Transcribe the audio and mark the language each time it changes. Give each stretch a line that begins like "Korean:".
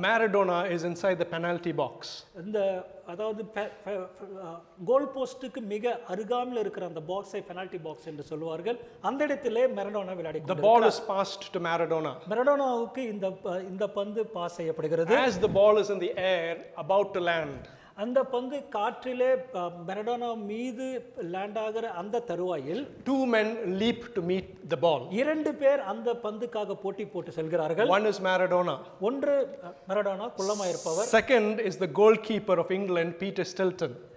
English: Maradona is inside the penalty box.
Tamil: இந்த அதாவது கோல் போஸ்ட்டுக்கு மிக அருகாமல் இருக்கிற அந்த பாக்ஸை பெனால்டி பாக்ஸ் என்று சொல்வார்கள். அந்த இடத்திலே மாரடோனா விளையாடி
English: The ball is passed to Maradona.
Tamil: மாரடோனாவுக்கு இந்த பந்து பாஸ் செய்யப்படுகிறது.
English: As the ball is in the air about to land.
Tamil: அந்த பந்து காற்றிலே மாரடோனா மீது லேண்ட் ஆகிற அந்த தருவாயில்
English: Two men leap to meet the ball.
Tamil: இரண்டு பேர் அந்த பந்துக்காக போட்டி போட்டு செல்கிறார்கள்.
English: One is Maradona.
Tamil: ஒன்று மாரடோனா குள்ளமாக இருப்பவர்.
English: Second is the goalkeeper of England Peter Stilton.